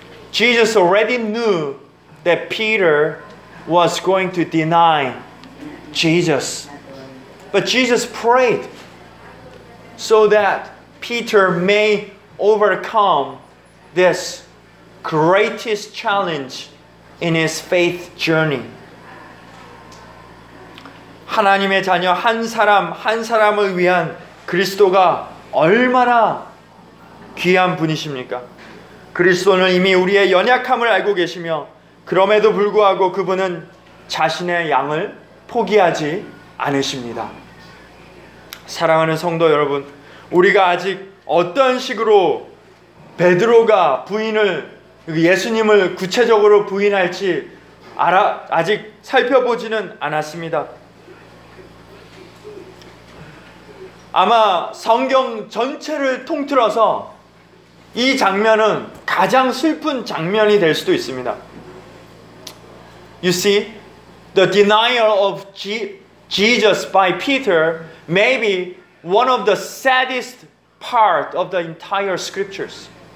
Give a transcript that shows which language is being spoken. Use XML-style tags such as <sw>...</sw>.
<en>Jesus already knew that Peter was going to deny Jesus. But Jesus prayed so that Peter may overcome this greatest challenge in his faith journey.</en> <ko>하나님의 자녀 한 사람 한 사람을 위한 그리스도가 얼마나 귀한 분이십니까? 그리스도는 이미 우리의 연약함을 알고 계시며 그럼에도 불구하고 그분은 자신의 양을 포기하지 않으십니다. 사랑하는 성도 여러분, 우리가 아직 어떤 식으로 베드로가 부인을 예수님을 구체적으로 부인할지 아직 살펴보지는 않았습니다. 아마 성경 전체를 통틀어서 이 장면은 가장 슬픈 장면이 될 수도 있습니다.</ko> <en>You see, the denial of Jesus by Peter may be one of the saddest part of the entire scriptures.</en>